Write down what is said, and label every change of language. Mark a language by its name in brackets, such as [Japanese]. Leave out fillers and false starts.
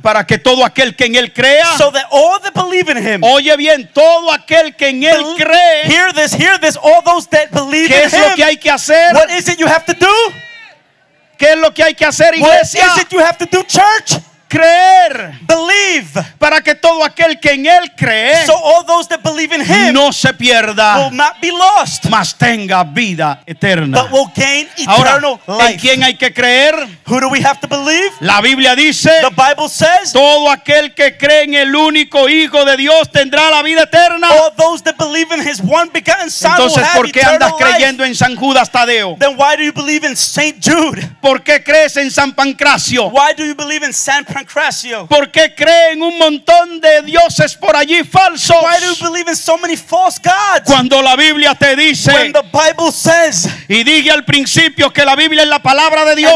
[Spanish] Para que todo aquel que en él crea. [English] So that all that believe in him. [Spanish] Oye bien, todo aquel que en él cree. [English] Hear this, all those that believe in him. [Spanish] ¿Qué es lo que hay que hacer? [English] What is it you have to do? [Spanish] ¿Qué es lo que hay que hacer, iglesia? [English] What is it you have to do, church? [Spanish] Creer. [English] Believe. [Spanish] Para que todo aquel que en él cree. [English] So all those that believe in him. [Spanish] No se pierda. [English] Will not be lost. [Spanish] Mas tenga vida eterna. [English] But will gain eternal [Spanish] ahora, ¿en [English] life. [Spanish] ¿En quién hay que creer? [English] Who do we have to believe? [Spanish] La Biblia dice. [English] The Bible says. [Spanish] Todo aquel que cree en el único Hijo de Dios tendrá la vida eterna. [English] All those that believe in his one begotten Son. [Spanish] Entonces, [English] will [Spanish] ¿por qué andas creyendo [English] life? [Spanish] En San Judas Tadeo? [English] Then why do you believe in Saint Jude? [Spanish] ¿Por qué crees en San Pancracio? [English] Why do you believe in San Pancracio? [Spanish] ¿Por qué creen un montón de dioses por allí falsos? [English] Why do you believe in so many false gods? [Spanish] Cuando la Biblia te dice. [English] When the Bible says. [Spanish] Y dije al principio que la Biblia es la palabra de Dios.